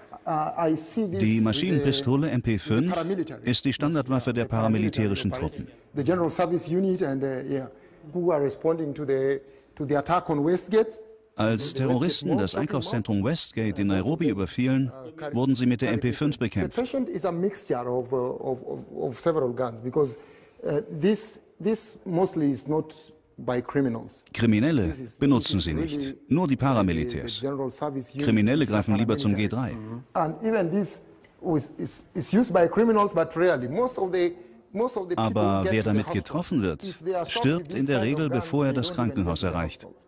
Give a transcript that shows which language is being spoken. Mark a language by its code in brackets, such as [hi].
[de] Die Maschinenpistole MP5 ist die Standardwaffe der paramilitärischen Truppen. Als Terroristen das Einkaufszentrum Westgate in Nairobi überfielen, wurden sie mit der MP5 bekämpft. [en] The patient is a mixture of several guns because this mostly is not by criminals. [de] Kriminelle benutzen sie nicht, nur die Paramilitärs. Kriminelle greifen lieber zum G3. [en] And even this is used by criminals, but rarely. [de] Aber wer damit getroffen wird, stirbt in der Regel, bevor er das Krankenhaus erreicht.